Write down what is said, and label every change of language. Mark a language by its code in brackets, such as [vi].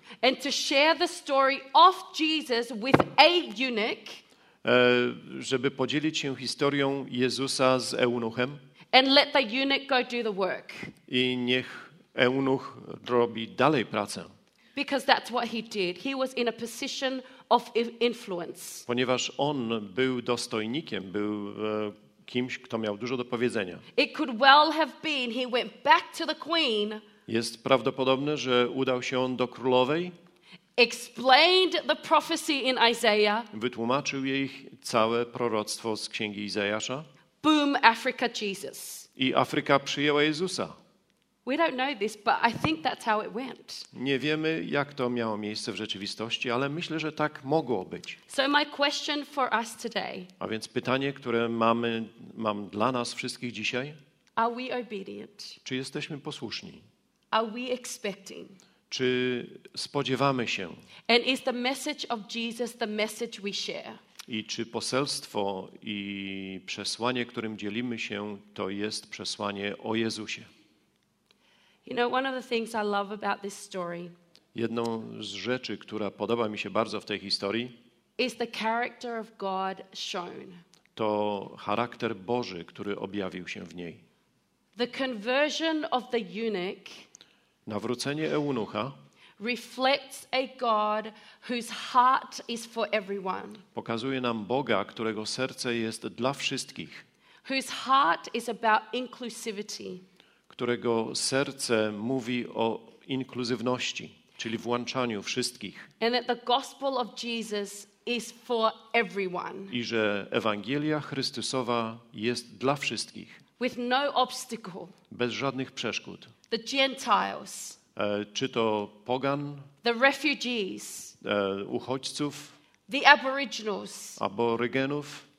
[en] And to share the story of Jesus with a eunuch. [pl] Żeby podzielić się historią Jezusa z eunuchem. [en] And let the eunuch go do the work. [pl] I niech eunuch robi dalej pracę. [en] Because that's what he did. He was in a position of influence. [pl] Ponieważ on był dostojnikiem, był kimś, kto miał dużo do powiedzenia. [en] It could well have been he went back to the queen. [pl] Jest prawdopodobne, że udał się on do królowej. [en] Explained the prophecy in Isaiah. [pl] Wytłumaczył jej całe proroctwo z księgi Izajasza. [en] Boom, Africa, Jesus. [pl] I Afryka przyjęła Jezusa. [en] We don't know this, but I think that's how it went. [pl] Nie wiemy, jak to miało miejsce w rzeczywistości, ale myślę, że tak mogło być. [en] So my question for us today. [pl] A więc pytanie, które mam dla nas wszystkich dzisiaj. [en] Are we obedient? [pl] Czy jesteśmy posłuszni? [en] Are we expecting? [pl] Czy spodziewamy się? [en] And is the message of Jesus the message we share? [pl] I czy poselstwo i przesłanie, którym dzielimy się, to jest przesłanie o Jezusie? [en] You know, one of the things I love about this story. [pl] Jedną z rzeczy, która podoba mi się bardzo w tej historii, [en] is the character of God shown. [pl] To charakter Boży, który objawił się w niej. [en] The conversion of the eunuch. [pl] Nawrócenie eunucha [en] reflects a God whose heart is for everyone. [pl] Pokazuje nam Boga, którego serce jest dla wszystkich. [en] Whose heart is about inclusivity. [pl] Którego serce mówi o inkluzywności, czyli włączaniu wszystkich. [en] And that the gospel of Jesus is for everyone. [pl] I że Ewangelia Chrystusowa jest dla wszystkich. [en] With no obstacle. [pl] Bez żadnych przeszkód. [en] The Gentiles, [pl] czy to pogan, [en] the refugees, [pl] uchodźców, [en] the Aboriginals, [pl] aborygenów,